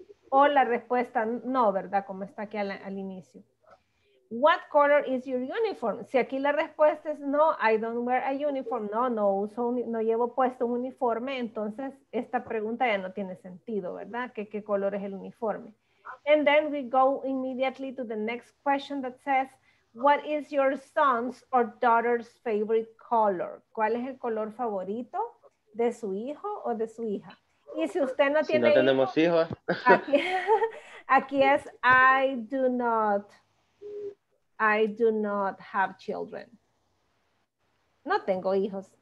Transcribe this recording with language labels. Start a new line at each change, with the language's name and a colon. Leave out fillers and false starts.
Spanish: O la respuesta, no, ¿verdad? Como está aquí al inicio.
English: What color is your uniform?
Spanish: Si aquí la respuesta es, no,
English: I don't wear a uniform.
Spanish: No llevo puesto un uniforme. Entonces, esta pregunta ya no tiene sentido, ¿verdad? ¿Qué color es el uniforme?
English: And then we go immediately to the next question that says, what is your son's or daughter's favorite color?
Spanish: ¿Cuál es el color favorito de su hijo o de su hija? Y si usted no tiene hijos. Si no tenemos hijos. Aquí es,
English: I do not have children.
Spanish: No tengo hijos.